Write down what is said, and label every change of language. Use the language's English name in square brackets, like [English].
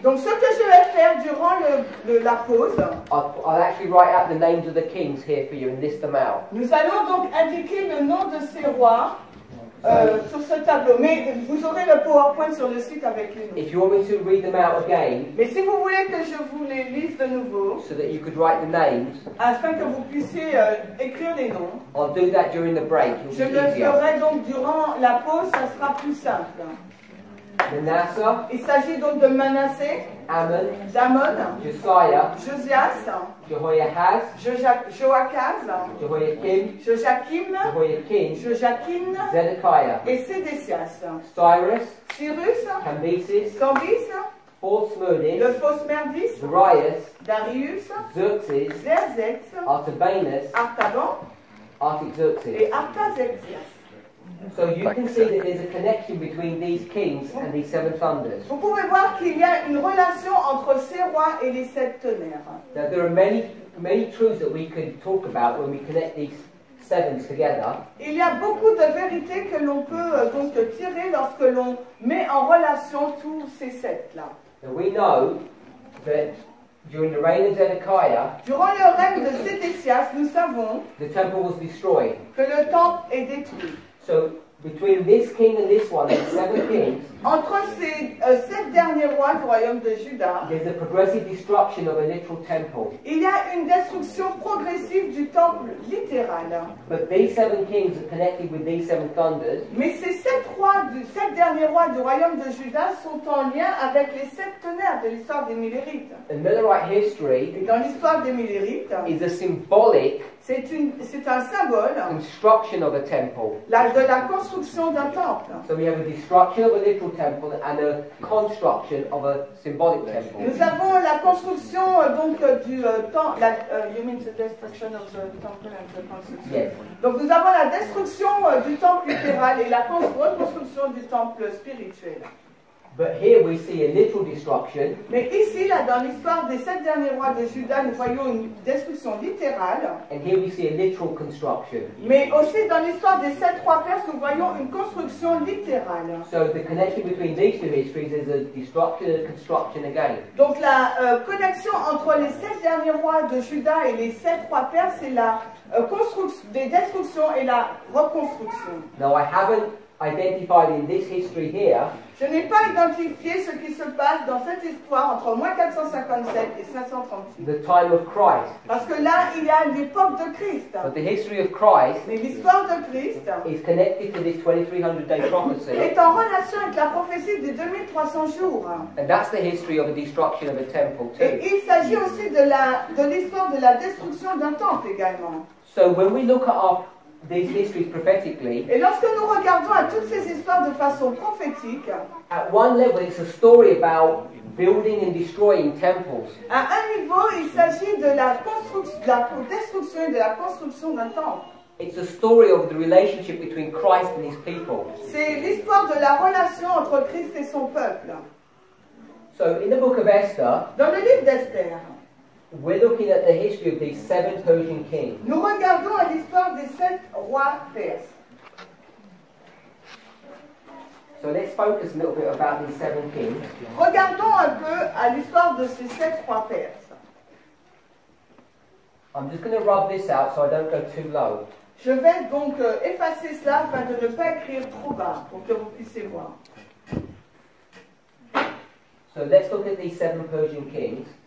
[French] Donc ce que je vais faire durant la pause. [English] I'll actually write out the names of the kings here for you and list them out. [French] Nous allons donc indiquer le nom de ces rois sur ce tableau. Mais vous aurez le PowerPoint sur le site avec les noms. [English] If you want me to read them out again. [French] Mais si vous voulez que je vous les lise de nouveau. [English] So that you could write the names. [French] Afin que vous puissiez écrire les noms. [English] I'll do that during the break. [French] Je le ferai donc durant la pause. Ça sera plus simple. [English] Manasseh. [French] Il s'agit donc de Manassé. [English] Ammon. [French] D'Ammon. [English] Josiah. [French] Josias. [English] Jehoiakaz. [French] Joachaz. [English] Jehoiakim. [French] Jojakim. [English] Jehoiakim. [French] Jojakim. [English] Zedekiah. [French] Et Sédécias. [English] Cyrus. [French] Cyrus. [English] Cambyses. [French] Cambyses. [English] False Moody. [French] Le false Merdis. [English] Darius. [French] Darius. [English] Xerxes. [French] Xerxes. [English] Artabanus. [French] Artaban. [English] Artaxerxes. [French] Et Artaxerxes. [English] So you can see that there's a connection between these kings and these seven thunders. [French] Vous pouvez voir qu'il y a une relation entre ces rois et les sept tonnerres. [English] Now there are many, many truths that we can talk about when we connect these sevens together. [French] Il y a beaucoup de vérités que l'on peut donc tirer lorsque l'on met en relation tous ces sept là. [English] Now we know that during the reign of Zedekiah, [French] durant le règne de Sédécias, nous savons [English] the temple was destroyed. [French] Que le temple est détruit. [English] So between this king and this one, the seven kings, [French] entre ces sept derniers rois du royaume de Juda, [English] there's a progressive destruction of a literal temple. [French] Il y a une destruction progressive du temple littéral. [English] But these seven kings are connected with these seven thunders. [French] Mais ces sept derniers rois du royaume de Juda sont en lien avec les sept tonnerres de l'histoire des Millérites. [English] In Millerite history, [French] dans l'histoire des Millérites, [English] is a symbolic. [French] C'est un symbole. [English] Construction of a temple. [French] De la construction d'un temple. [English] So we have a destruction of a literal temple and a construction of a symbolic temple. [French] Nous avons la construction donc du temple. [English] You mean the destruction of the temple and the construction? Yes. [French] Donc nous avons la destruction du temple littéral et la reconstruction du temple spirituel. [English] But here we see a literal destruction. [French] Mais ici, là, dans l'histoire des sept derniers rois de Juda, nous voyons une destruction littérale. [English] And here we see a literal construction. [French] Mais aussi dans l'histoire des sept rois perses, nous voyons une construction littérale. [English] So the connection between these two histories is a destruction and construction again. [French] Donc la connexion entre les sept derniers rois de Juda et les sept rois perses, c'est la construction des destructions et la reconstruction. [English] Now I haven't identified in this history here. [French] Je n'ai pas identifié ce qui se passe dans cette histoire entre moins 457 et 538. [English] The time of Christ. [French] Parce que là, il y a l'époque de Christ. [English] But the history of Christ. [French] Mais l'histoire de Christ. [English] Is connected to this 2300 day prophecy. [French] Est en relation avec la prophétie des 2300 jours. [English] And that's the history of the destruction of a temple too. [French] Et il s'agit aussi de l'histoire de la destruction d'un temple également. [English] So when we look at our these histories prophetically. [French] Et lorsque nous regardons à toutes ces histoires de façon prophétique, [English] at one level, it's a story about building and destroying temples. [French] À un niveau, il s'agit de la construction, de la destruction et de la construction d'un temple. [English] It's a story of the relationship between Christ and his people. [French] C'est l'histoire de la relation entre Christ et son peuple. [English] So, in the book of Esther. [French] Dans le livre d'Esther. [English] We're looking at the history of these seven Persian kings. [French] Nous regardons à l'histoire des sept rois perses. [English] So let's focus a little bit about these seven kings. [French] Regardons un peu à l'histoire de ces sept rois perses. [English] I'm just going to rub this out so I don't go too low. [French] Je vais donc effacer cela afin de ne pas écrire trop bas pour que vous puissiez voir. [English] So let's look at these seven Persian kings.